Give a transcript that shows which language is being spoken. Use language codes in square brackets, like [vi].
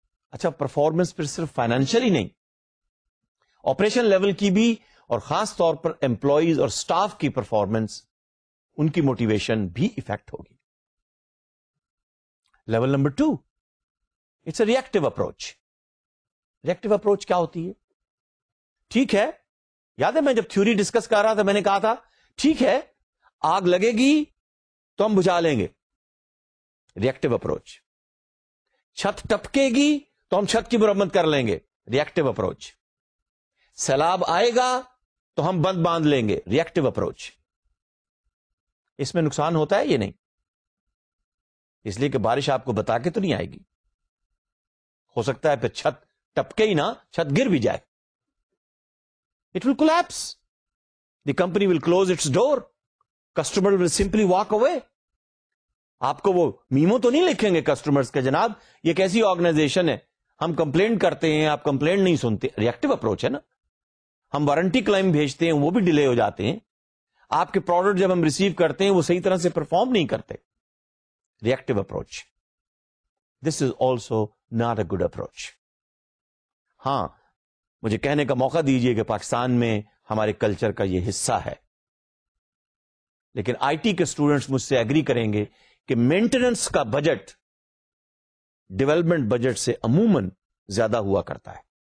[ur] اچھا, پرفارمنس پھر صرف فائنینشیل ہی نہیں, آپریشن لیول کی بھی, اور خاص طور پر امپلائیز اور سٹاف کی پرفارمنس, ان کی موٹیویشن بھی افیکٹ ہوگی. [en] Level number 2, it's a reactive approach. [ur] Reactive approach کیا ہوتی ہے؟ ٹھیک ہے, یاد ہے میں جب تھیوری ڈسکس کر رہا تھا میں نے کہا تھا ٹھیک ہے آگ لگے گی تو ہم بجھا لیں گے, ریئیکٹو اپروچ. چھت ٹپکے گی تو ہم چھت کی مرمت کر لیں گے, ریئیکٹو اپروچ. سیلاب آئے گا تو ہم بند باندھ لیں گے, ریئیکٹو اپروچ. اس میں نقصان ہوتا ہے یا نہیں؟ اس لیے کہ بارش آپ کو بتا کے تو نہیں آئے گی, ہو سکتا ہے پھر چھت ٹپکے ہی نہ, چھت گر بھی جائے. [en] It will collapse. The company will close its door. Customer will simply walk away. [ur] آپ کو وہ میمو تو نہیں لکھیں گے کسٹمرس کے, جناب یہ کیسی آرگنائزیشن ہے, ہم کمپلینٹ کرتے ہیں آپ کمپلینٹ نہیں سنتے. ریئیکٹو اپروچ ہے نا, ہم وارنٹی کلیم بھیجتے ہیں وہ بھی ڈیلے ہو جاتے ہیں, آپ کے پروڈکٹ جب ہم ریسیو کرتے ہیں وہ صحیح طرح سے پرفارم نہیں کرتے. [en] Reactive approach, this is also not a good approach. [ur] ہاں, مجھے کہنے کا موقع دیجئے کہ پاکستان میں ہمارے کلچر کا یہ حصہ ہے, لیکن آئی ٹی کے اسٹوڈنٹس مجھ سے اگری کریں گے کہ مینٹیننس کا بجٹ ڈیولپمنٹ بجٹ سے عموماً زیادہ ہوا کرتا ہے.